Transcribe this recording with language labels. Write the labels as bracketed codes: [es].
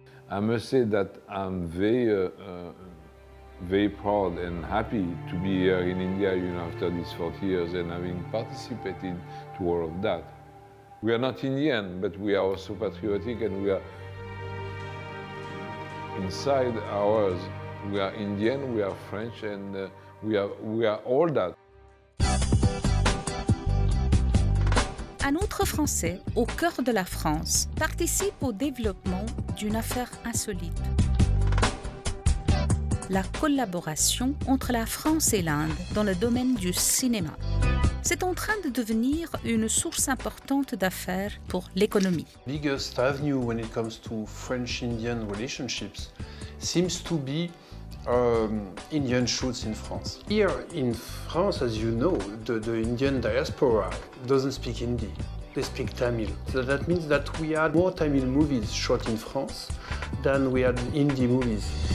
[en] I must say that I'm very proud and happy to be here in India, you know, after these 40 years and having participated to all of that. We are not Indian, but we are also patriotic, and we are inside ours. We are Indian, we are French, and we are all that. [fr] Un autre Français, au cœur de la France, participe au développement d'une affaire insolite. La collaboration entre la France et l'Inde dans le domaine du cinéma. C'est en train de devenir une source importante d'affaires pour l'économie. [en] The biggest avenue when it comes to French-Indian relationships seems to be Indian shoots in France. Here in France, as you know, the Indian diaspora doesn't speak Hindi, they speak Tamil. So that means that we had more Tamil movies shot in France than we had Hindi movies.